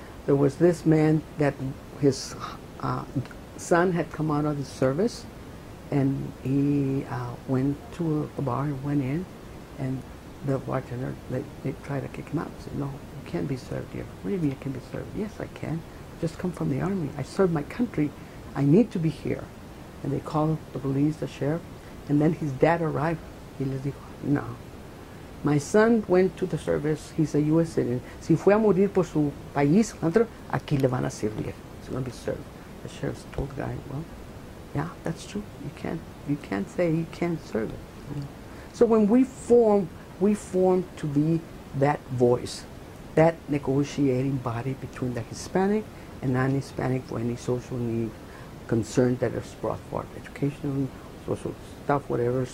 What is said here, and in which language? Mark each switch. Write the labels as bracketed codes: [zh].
[en] There was this man that his son had come out of the service, and he went to a bar and went in, and the bartender, they tried to kick him out. He said, no, you can't be served here. What do you mean I can't be served? Yes, I can. I just come from the army. I served my country. I need to be here. And they called the police, the sheriff, and then his dad arrived. He said, no. My son went to the service. He's a U.S. citizen. [es] Si fue a morir por su país, aquí le van a servir. [en] He's going to be served. The sheriff told the guy, well, yeah, that's true. You can't say he can't serve it. Mm-hmm. So when we formed to be that voice, that negotiating body between the Hispanic and non-Hispanic for any social need, concern that is brought forth, educational, social stuff, whatever.